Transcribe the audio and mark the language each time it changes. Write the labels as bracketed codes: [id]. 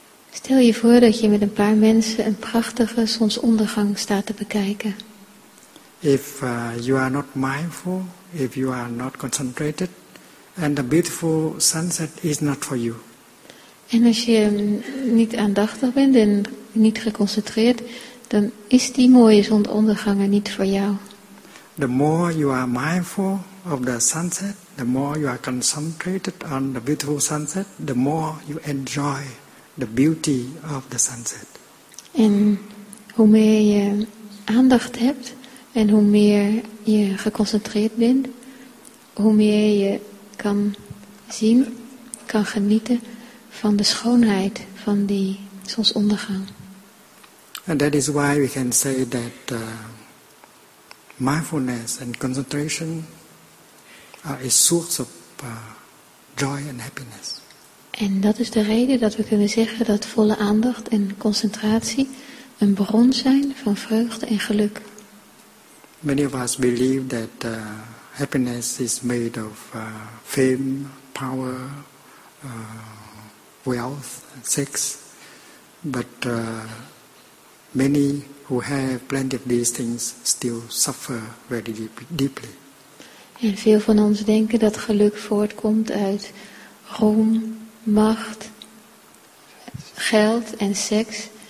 [nl] Stel je voor dat je met een paar mensen een prachtige zonsondergang staat te bekijken. [en] If you are not mindful, if you are not concentrated, and the beautiful sunset is not for you. [nl] En als je niet aandachtig bent en niet geconcentreerd, dan is die mooie zonsondergang er niet voor jou. [en] The more you are mindful of the sunset, the more you are concentrated on the beautiful sunset, the more you enjoy the beauty of the sunset. [nl] En hoe meer je aandacht hebt en hoe meer je geconcentreerd bent, hoe meer je kan zien, kan genieten van de schoonheid van die zonsondergang. [en] And that is why we can say that mindfulness and concentration are a source of joy and happiness. [nl] En dat is de reden dat we kunnen zeggen dat volle aandacht en concentratie een bron zijn van vreugde en geluk. [en] Many of us believe that happiness is made of fame, power, wealth, sex. But many who have plenty of these things still suffer very deeply. [nl] En veel van ons denken dat geluk voortkomt uit roem, macht, geld en seks.